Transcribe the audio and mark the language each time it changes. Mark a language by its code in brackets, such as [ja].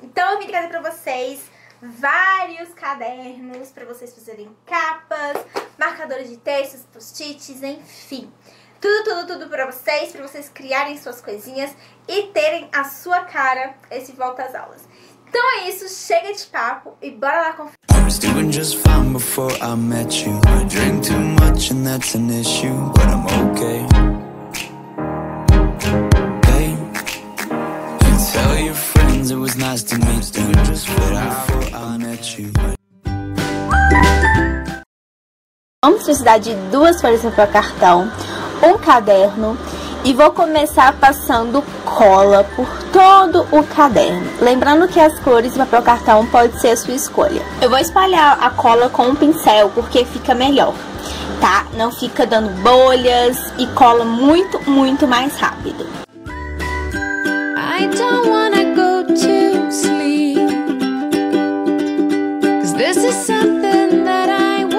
[pt] Então eu vim trazer pra vocês vários cadernos pra vocês fazerem capas, marcadores de textos, post-its, enfim. Tudo, tudo, tudo pra vocês criarem suas coisinhas e terem a sua cara esse volta às aulas. Então é isso, chega de papo e bora lá conferir. [en] I was doing just fine before I met you. I drink too much and that's an issue, but I'm okay. Hey, you tell your friends it was nice to meet you. Just before I met you. [pt] Vamos precisar de duas folhas de papel cartão, um caderno e vou começar passando cola por todo o caderno. Lembrando que as cores do papel cartão pode ser a sua escolha. Eu vou espalhar a cola com um pincel porque fica melhor, tá? Não fica dando bolhas e cola muito, muito mais rápido. [en] I don't wanna go to sleep, 'cause this is something that I...